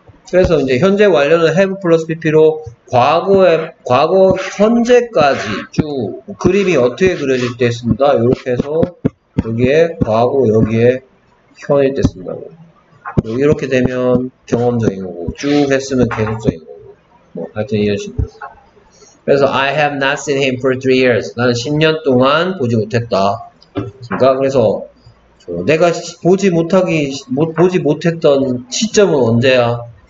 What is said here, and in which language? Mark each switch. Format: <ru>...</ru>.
<ko>그래서 이제 현재 완료는 have 플러스 pp로 과거 현재까지 쭉 그림이 어떻게 그려질 때 있습니다. 이렇게 해서 여기에 과거, 여기에 현일 때 쓴다고. 이렇게 되면 경험적인 거고 쭉 했으면 계속적인 거고 뭐 하여튼 이런 식으로. 그래서</ko> <en>I have not seen him for 3 years.</en> <ko>나는 10년 동안 보지 못했다. 그러니까 그래서 내가 보지 못했던 시점은 언제야?</ko>